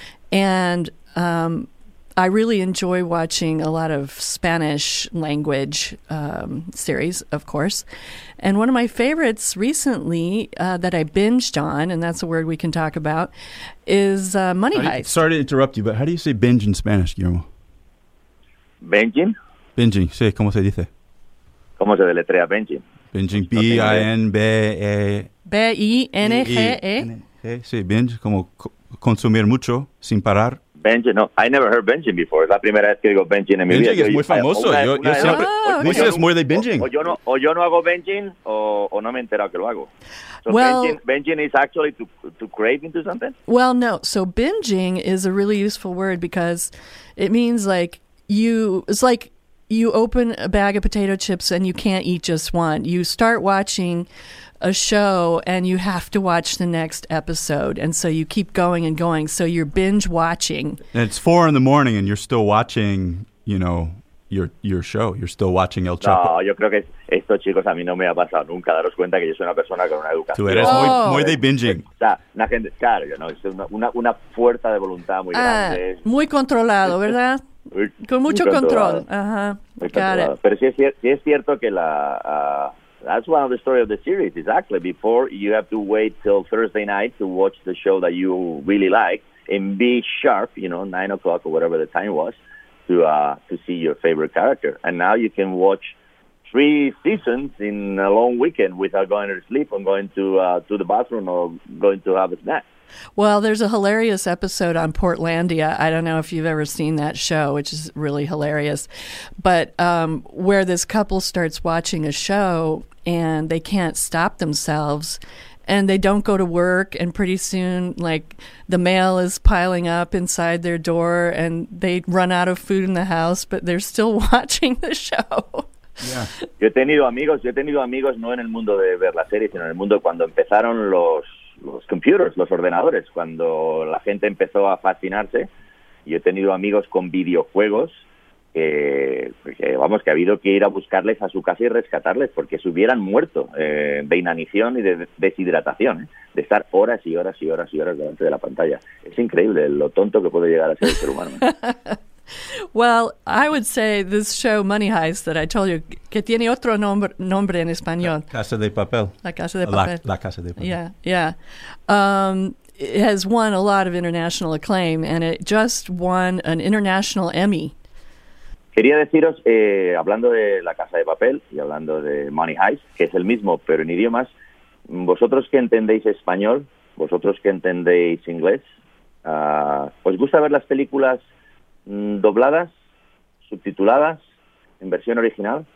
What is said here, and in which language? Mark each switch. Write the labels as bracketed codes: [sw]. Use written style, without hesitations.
[en] And I really enjoy watching a lot of Spanish language series, of course. And one of my favorites recently that I binged on, and that's a word we can talk about, is Money Heist. Sorry to interrupt you, but how do you say binge in Spanish, Guillermo? Binging? [es] Binging, sí, ¿cómo se dice? ¿Cómo se deletrea binging? [en] Binging, B-I-N-B-E. B-I-N-G-E. [es] Sí, binge, como consumir mucho, sin parar. [en] Binging, no, I never heard binging before. [es] Es la primera vez que digo binging en mi vida. Binging es muy famoso. Yo siempre, Lisa es muy de binging. O yo no hago binging, o no me he enterado que lo hago. [en] Binging is actually to crave into something? Well, no. So binging is a really useful word because it means like you open a bag of potato chips and you can't eat just one. You start watching a show and you have to watch the next episode, and so you keep going and going, so you're binge watching. And it's 4 a.m. and you're still watching, you know, your show. You're still watching El Chapo. [es] No, yo creo que esto, chicos, a mí no me ha pasado nunca. Daros cuenta que yo soy una persona con una educación. Tú eres muy de binging. Una gente, claro, yo no, es una fuerza de voluntad muy grande. Muy controlado, ¿verdad? Con mucho control. Ajá. Pero sí es cierto que la [en] that's one of the story of the series, exactly. Before, you have to wait till Thursday night to watch the show that you really like and be sharp, you know, 9 o'clock or whatever the time was, to see your favorite character. And now you can watch 3 seasons in a long weekend without going to sleep or going to the bathroom or going to have a snack. Well, there's a hilarious episode on Portlandia. I don't know if you've ever seen that show, which is really hilarious. But where this couple starts watching a show and they can't stop themselves and they don't go to work. And pretty soon, like, the mail is piling up inside their door and they run out of food in the house, but they're still watching the show. [es] Yo he tenido amigos, no en el mundo de ver la serie, sino en el mundo cuando empezaron los computers, los ordenadores, cuando la gente empezó a fascinarse. Yo he tenido amigos con videojuegos que ha habido que ir a buscarles a su casa y rescatarles porque se hubieran muerto de inanición y de deshidratación, de estar horas y horas y horas y horas delante de la pantalla. Es increíble lo tonto que puede llegar a ser el ser humano. [en] Well, I would say this show, Money Heist, that I told you, [es] que tiene otro nombre en español. Casa de Papel. La Casa de Papel. La Casa de Papel. [en] Yeah. It has won a lot of international acclaim, and it just won an international Emmy. [es] Quería deciros, hablando de La Casa de Papel y hablando de Money Heist, que es el mismo, pero en idiomas, vosotros que entendéis español, vosotros que entendéis inglés, ¿os gusta ver las películas dobladas, subtituladas, en versión original?